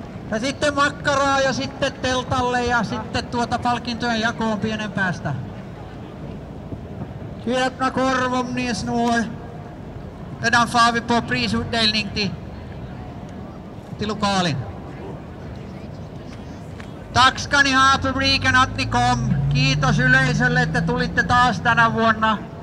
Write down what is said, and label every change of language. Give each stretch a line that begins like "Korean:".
Finnish: Ja sitten makkaraa ja sitten teltalle ja sitten tuota palkintojen jakoon pienen päästä. Kyöpnä korvom niis nuoi.
Swedish: Redan far vi på prisutdelning till lokalen. Tack ska ni ha publiken att ni kom.
Finnish: Kiitos yleisölle, että tulitte taas tänä vuonna.